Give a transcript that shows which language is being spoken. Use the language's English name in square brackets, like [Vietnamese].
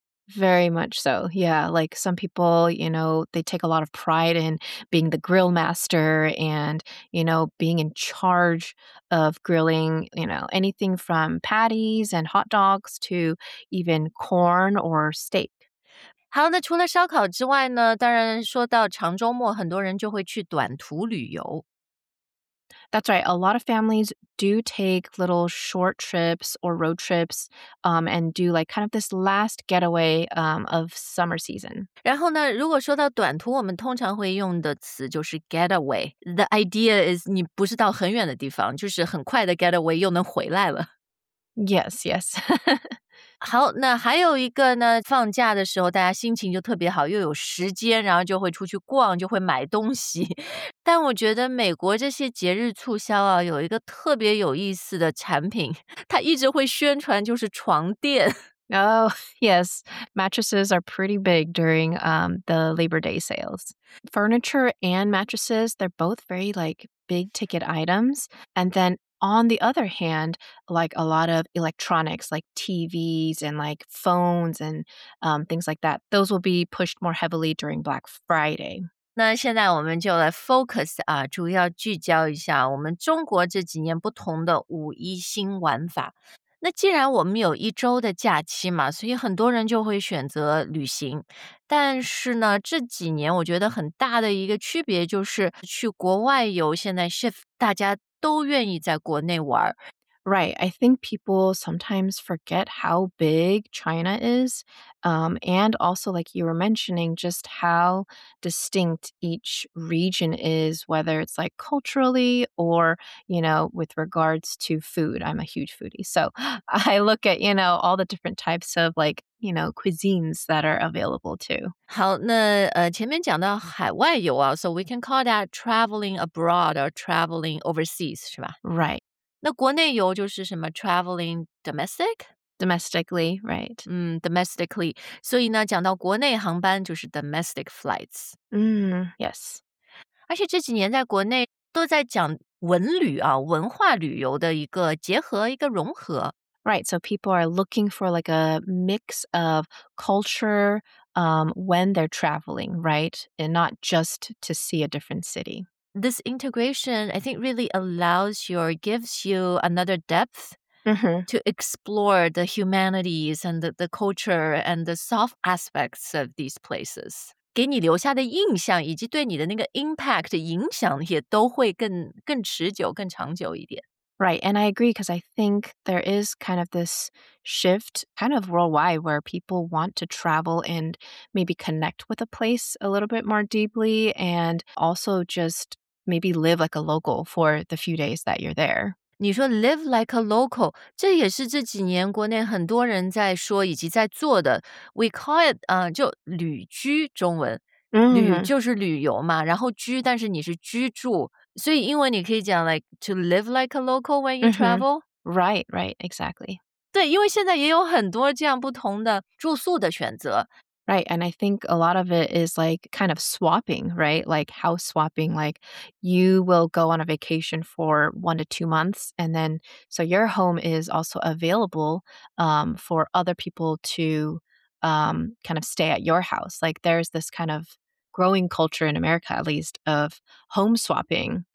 [English] Very much so. Yeah, like some people, you know, they take a lot of pride in being the grill master and, you know, being in charge of grilling, you know, anything from patties and hot dogs to even corn or steak. [Chinese] 好，那除了烧烤之外呢，当然说到长周末，很多人就会去短途旅游。 [English] That's right. A lot of families do take little short trips or road trips, and do like kind of this last getaway, of summer season. [Chinese] 然后呢，如果说到短途，我们通常会用的词就是 getaway. [English] The idea is [Chinese] 你不是到很远的地方，就是很快的 getaway 又能回来了。 [English] Yes, yes. [Chinese] 好，那还有一个呢，放假的时候大家心情就特别好，又有时间，然后就会出去逛，就会买东西。但我觉得美国这些节日促销啊，有一个特别有意思的产品，它一直会宣传就是床垫。 [English] Oh, yes. Mattresses are pretty big during the Labor Day sales. Furniture and mattresses, they're both very like big ticket items. And thenOn the other hand, like a lot of electronics, like TVs and like phones and things like that, those will be pushed more heavily during Black Friday. [Chinese] 那现在我们就来 focus 啊，主要聚焦一下我们中国这几年不同的五一新玩法。那既然我们有一周的假期嘛，所以很多人就会选择旅行。但是呢，这几年我觉得很大的一个区别就是去国外游，现在 shift 大家。都愿意在国内玩。 [English] Right, I think people sometimes forget how big China is, and also like you were mentioning, just how distinct each region is, whether it's like culturally or, you know, with regards to food. I'm a huge foodie. So I look at, you know, all the different types of like, you know, cuisines that are available too. [Chinese] 好，那前面讲到海外游啊， [English] so we can call that traveling abroad or traveling overseas, [Chinese] 是吧？ [English] Right. [Chinese] 那国内游就是什么 [English] traveling domestic? Domestically, right. Domestically. [Chinese] 所以呢讲到国内航班就是 [English] domestic flights. Yes. [Chinese] 而且这几年在国内都在讲文旅啊，文化旅游的一个结合，一个融合。 [English] Right, so people are looking for like a mix of culture, when they're traveling, right? And not just to see a different city. this integration, I think, really allows you or gives you another depth mm-hmm. to explore the humanities and the culture and the soft aspects of these places. [Chinese] 给你留下的印象以及对你的那个 impact 影响也都会更持久更长久一点。 [English] Right, and I agree because I think there is kind of this shift kind of worldwide where people want to travel and maybe connect with a place a little bit more deeply and also just maybe live like a local for the few days that you're there. [Chinese] 你说 [English] live like a local, [Chinese] 这也是这几年国内很多人在说以及在做的。 [English] We call it, [Chinese] 就旅居中文。 [English] Mm-hmm. [Chinese] 旅就是旅游嘛然后居但是你是居住。所以英文你可以讲 [English] like to live like a local when you travel、 mm-hmm. Right, right, exactly [Chinese] 对因为现在也有很多这样不同的住宿的选择 [English] Right, and I think a lot of it is like kind of swapping, right? Like house swapping, like you will go on a vacation for 1 to 2 months and then so your home is also available、for other people to、kind of stay at your house Like there's this kind ofgrowing culture in America, at least, of home swapping.